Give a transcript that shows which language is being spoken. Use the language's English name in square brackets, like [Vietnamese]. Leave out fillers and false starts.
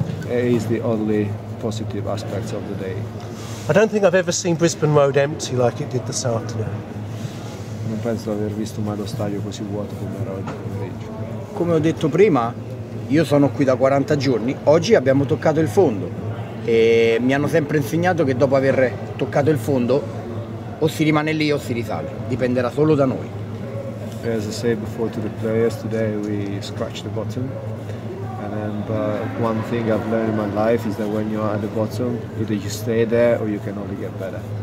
[English] It's the only positive aspect of the day. I don't think I've ever seen Brisbane Road empty like it did this afternoon. [Italian] Non penso di aver visto mai lo stadio così vuoto come era oggi pomeriggio. Come ho detto prima, io sono qui da 40 giorni, oggi abbiamo toccato il fondo e mi hanno sempre insegnato che dopo aver toccato il fondo o si rimane lì o si risale, dipenderà solo da noi. [English] As I said before to the players, today we scratched the bottom. But one thing I've learned in my life is that when you're at the bottom, either you stay there or you can only get better.